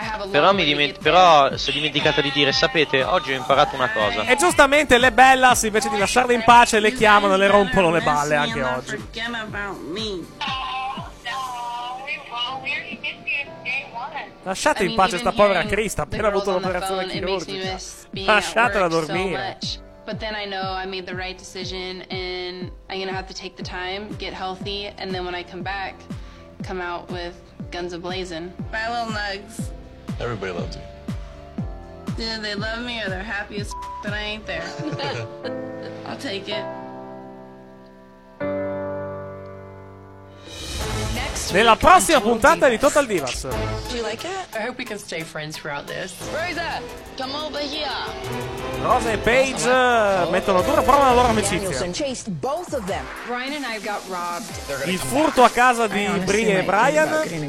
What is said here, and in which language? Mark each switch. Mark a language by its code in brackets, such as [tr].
[it] Però si è dimenticata di dire, sapete, oggi ho imparato una cosa. E giustamente le Bellas, invece di lasciarle in pace, le chiamano, le rompono le balle anche oggi. Lasciate in pace sta povera Krista, appena avuto l'operazione chirurgica. Lasciatela dormire. [en] But then I know I made the right decision and I'm gonna have to take the time, get healthy, and then when I come back, come out with guns a-blazing. Bye, little nugs. Everybody loves you. Yeah, they love me or they're happy as that I ain't there. I'll take it. [it] Nella prossima puntata di Total Divas. [en] Do you like it? I hope we can stay friends throughout this. Rosa, come over here. [it] Rosa e Paige mettono a dura prova la loro amicizia. [en] Both of them. Brian and I got robbed. [it] Il furto a casa di Brie e Brian.